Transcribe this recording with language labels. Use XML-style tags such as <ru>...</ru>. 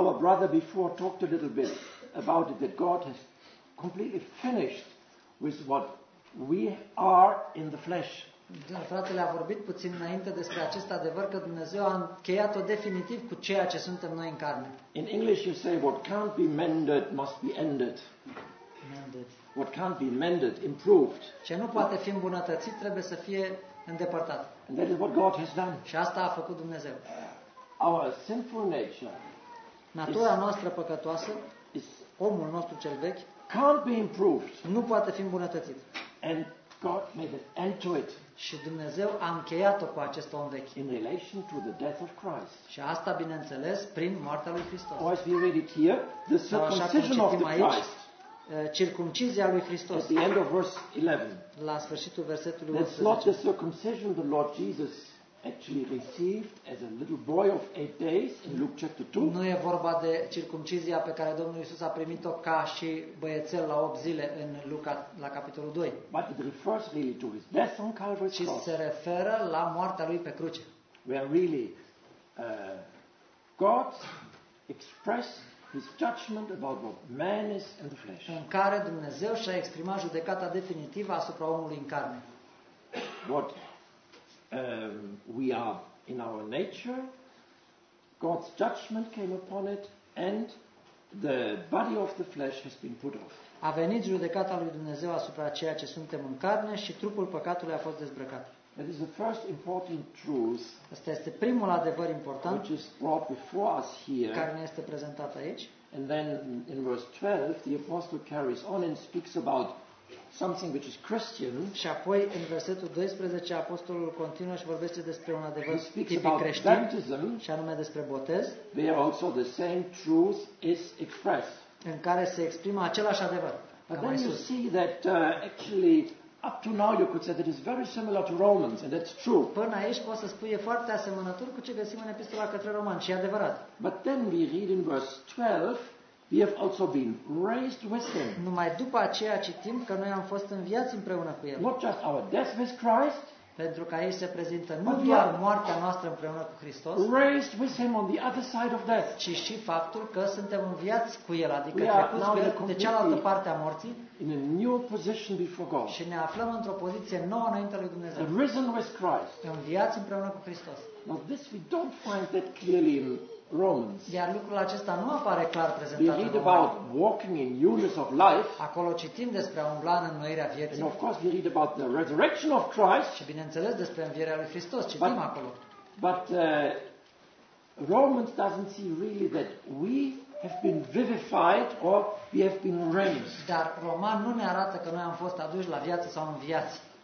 <en>Our brother before talked a little bit about it, that God has completely finished with what we are in the flesh.</en> <ro>Fratele a vorbit puțin înainte despre acest adevăr că Dumnezeu a încheiat-o definitiv cu ceea ce suntem noi în carne.</ro> <en>In English you say what can't be mended must be ended. Mended. What can't be mended, improved.</en> <ro>Ce nu poate fi îmbunătățit trebuie să fie îndepărtat.</ro> <en>And that is what God has done.</en> <ro>Și asta a făcut Dumnezeu.</ro> <en>Our sinful nature.</en> <ro>Natura noastră păcătoasă, omul nostru cel vechi,</ro> <en>can't be improved.</en> <ro>Nu poate fi îmbunătățit.</ro> <en>And God made an end to it.</en> <ro>Și Dumnezeu a încheiat-o cu acest om vechi.</ro> <en>In relation to the death of Christ.</en> <ro>Și asta, bineînțeles, prin moartea lui Hristos.</ro> <en>Or as we read it here, the circumcision of the Christ.</en> <ro>Circumcizia lui Hristos.</ro> <en>At the end of verse 11.</en> <ro>La sfârșitul versetului 11.</ro> <en>That's not the circumcision the Lord Jesus actually received as a little boy of 8 days in Luke chapter 2.</en> <ro>Nu e vorba de circumcizia pe care Domnul Iisus a primit-o ca și băiețel la 8 zile în Luca la capitolul 2.</ro> <en>But it refers really to his death on Calvary.</en> <ro>Ci se referă la moartea lui pe cruce.</ro> <en>Where really God expressed his judgment about what man is in the flesh.</en> <ro>În care Dumnezeu și-a exprimat judecata definitivă asupra omului în carne.</ro> <en>What we are in our nature, God's judgment came upon it, and the body of the flesh has been put off.</en> <ro>A venit judecata lui Dumnezeu asupra ceea ce suntem în carne și trupul păcatului a fost dezbrăcat.</ro> <en>That is the first important truth.</en> <ro>Asta este primul adevăr important,</ro> <en>which is brought before us here,</en> <ro>care ne este prezentat aici.</ro> <en>And then in verse 12, the apostle carries on and speaks about something which is Christian.</en> <ro>Și apoi în versetul 12 apostolul continuă și vorbește despre un adevăr tipic creștin, și anume despre botez,</ro> <en>where also the same truth is expressed.</en> <ro>În care se exprimă același adevăr.</ro> <en>But then you see that actually up to now you could say that it's very similar to Romans, and that's true.</en> <ro>Până aici poți să spui e foarte asemănător cu ce găsim în epistola către Romani, și e adevărat.</ro> <en>But then we read in verse 12, we have also been raised with him.</en> <ro>Numai după aceea citim că noi am fost înviați împreună cu el.</ro> <en>Not just our death with Christ,</en> <ro>pentru că aici se prezintă nu doar moartea noastră împreună cu Hristos,</ro> <en>raised with him on the other side of death,</en> <ro>ci și faptul că suntem înviați cu el, adică trecut de cealaltă parte a morții,</ro> <en>in a new position before God.</en> <ro>Și ne aflăm într-o poziție nouă înaintea lui Dumnezeu.</ro> <en>Risen with Christ,</en> <ro>înviați împreună cu Hristos.</ro> <en>Now this we don't find that clearly in Romans.</en> <ro>Iar lucrul acesta nu apare clar prezentat în Romani.</ro> <en>We read about walking in newness of life.</en> <ro>Acolo citim despre a umbla în înnoirea vieții.</ro> <en>And of course we read about the resurrection of Christ.</en> <ro>Și bineînțeles despre învierea lui Hristos, citim acolo.</ro> <en>But Romans doesn't see really that we have been vivified or we have been raised.</en> <ro>Dar Roman nu ne arată că noi am fost aduși la viață sau în viață.</ro>